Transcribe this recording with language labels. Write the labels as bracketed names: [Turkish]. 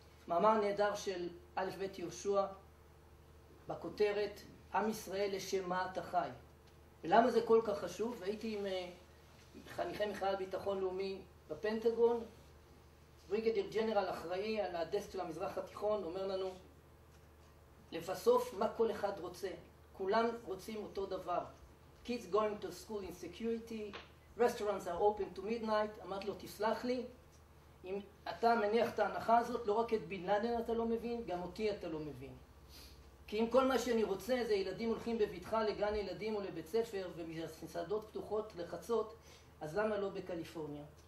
[Hebrew] מאמר נהדר של א' ב' יהושע בכותרת, עם ישראל לשם מה אתה חי. ולמה זה כל כך חשוב? והייתי עם חניכי מכלל ביטחון לאומי בפנטגון, בריגדיר ג'נרל אחראי על הדסק של המזרח התיכון, אומר לנו, לבסוף, מה כל אחד רוצה? כולם רוצים אותו דבר. [English] Kids going to school in security, restaurants are open to midnight. [Hebrew] אמרתי לו, תסלח לי, אם אתה מניח את ההנחה הזאת, לא רק את בן לאדן אתה לא מבין, גם אותי אתה לא מבין. כי אם כל מה שאני רוצה זה ילדים הולכים בביתך לגן ילדים או לבית ספר ומסעדות פתוחות לחצות, אז למה לא בקליפורניה?